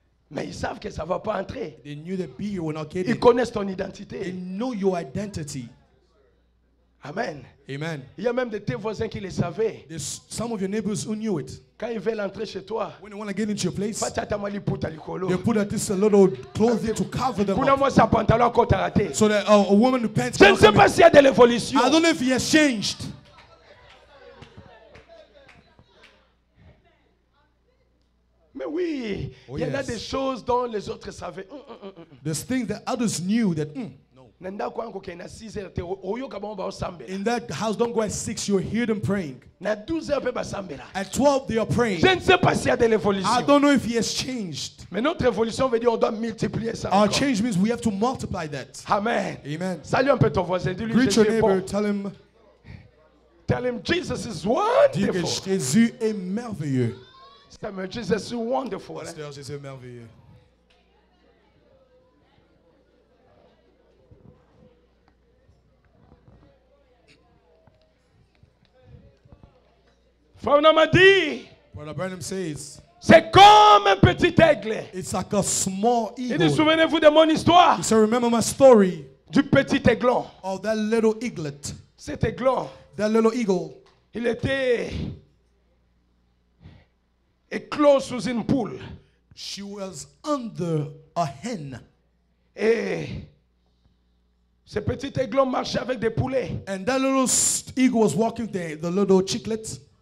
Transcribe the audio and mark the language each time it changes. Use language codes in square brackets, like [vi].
[fr] Mais ils savent que ça va pas entrer. [en] They knew the beer will not get [fr] in. Ils connaissent ton identité. [en] They know your identity. [fr] Amen. [en] Amen. [fr] Il y a même de tes voisins qui le savaient. [en] There's some of your neighbors who knew it. [fr] Quand ils veulent entrer chez toi, [en] when they want to get into your place, they put out this little clothing to cover them. [fr] Pour moi, c'est un pantalon qu'on t'a raté. [en] So that a woman who pants. [fr] Je ne sais pas s'il y a de l'évolution. [en] I don't know if he has changed. [fr] Mais oui, il y en a des choses dont les autres savaient. [en] There's things that others knew that. In that house, don't go at 6, you'll hear them praying. At 12, they are praying. [fr] Je ne sais pas s'il y a de l'évolution. [en] I don't know if he has changed. [fr] Mais notre évolution veut dire on doit multiplier ça. [en] Our change means we have to multiply that. [fr] Amen. [en] Amen. [fr] Salut un peu ton voisin. Dis-lui [en] greet your neighbor, tell him. Tell him Jesus is wonderful. [fr] Dis que Jésus est merveilleux. [en] Jesus is wonderful. [fr] Jésus est merveilleux. [en] Brother Branham says, [fr] c'est comme un petit aigle. [en] It's like a small eagle. [fr] Et vous souvenez-vous de mon histoire? [en] He said, remember my story. [fr] Du petit aiglon. [en] Of that little eaglet. [fr] Cet aiglon. [en] That little eagle. [fr] Il était éclos sous une poule. [en] She was under a hen. [fr] Et ce petit aiglon marchait avec des poulets. [en] And that little eagle was walking with the little chicklets.